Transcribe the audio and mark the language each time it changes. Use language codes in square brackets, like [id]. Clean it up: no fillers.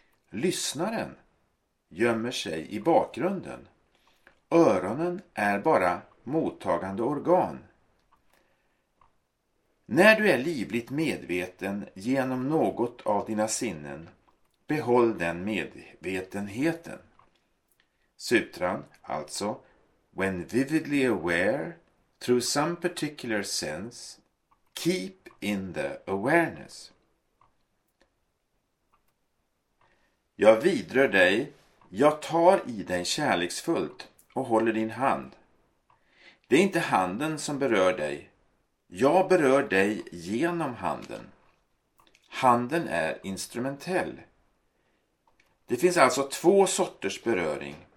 [sv] Lyssnaren gömmer sig i bakgrunden. Öronen är bara mottagande organ. När du är livligt medveten genom något av dina sinnen, behåll den medvetenheten. Sutran, alltså, [en] when vividly aware, through some particular sense, keep in the awareness. [sv] Jag vidrör dig, jag tar i dig kärleksfullt och håller din hand. Det är inte handen som berör dig. Jag berör dig genom handen. Handen är instrumentell. Det finns alltså två sorters beröring.